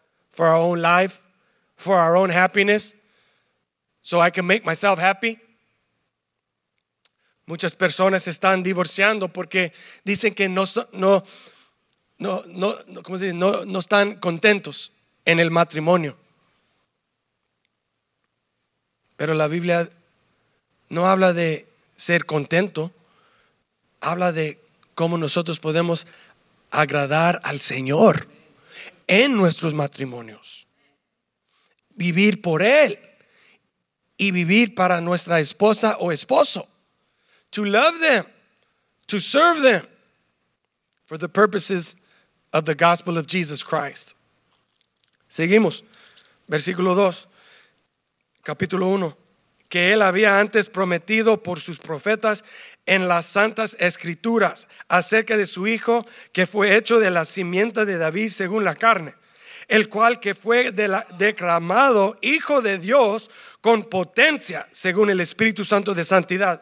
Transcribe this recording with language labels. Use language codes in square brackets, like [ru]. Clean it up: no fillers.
[en] For our own life, for our own happiness, so I can make myself happy. [es] Muchas personas están divorciando porque dicen que no están contentos en el matrimonio. Pero la Biblia no habla de ser contento, habla de cómo nosotros podemos agradar al Señor en nuestros matrimonios, vivir por Él y vivir para nuestra esposa o esposo. [en] To love them, to serve them for the purposes of the gospel of Jesus Christ. [es] Seguimos, versículo 2, capítulo 1. Que Él había antes prometido por sus profetas en las santas escrituras acerca de su Hijo, que fue hecho de la simiente de David según la carne, el cual que fue declarado Hijo de Dios con potencia según el Espíritu Santo de santidad.